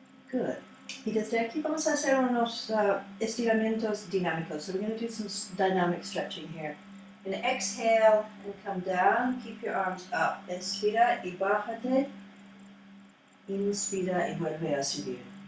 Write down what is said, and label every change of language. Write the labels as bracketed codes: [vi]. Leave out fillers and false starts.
[es] Good. Y desde aquí vamos a hacer unos estiramientos dinámicos. [en] So we're going to do some dynamic stretching here. And exhale and come down. Keep your arms up. [es] Inspira y bájate. Inspira y vuelve a subir.